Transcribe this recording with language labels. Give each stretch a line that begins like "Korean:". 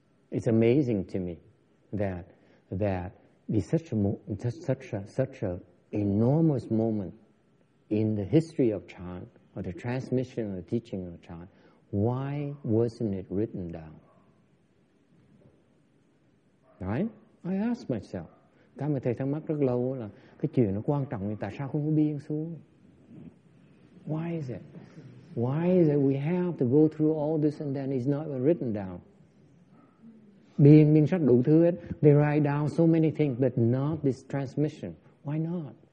English: It's amazing to me that it's such a enormous moment in the history of Chan, or the transmission of the teaching of Chan, why wasn't it written down? Right? I asked myself.
Vietnamese: Cái mà thầy thắc mắc rất lâu là cái chuyện nó quan trọng thì tại sao không có biên xuống?
English: Why is it? Why is it we have to go through all this and then it's not written down?
Vietnamese: Biên sách đủ thứ hết.
English: They write down so many things but not this transmission. Why not?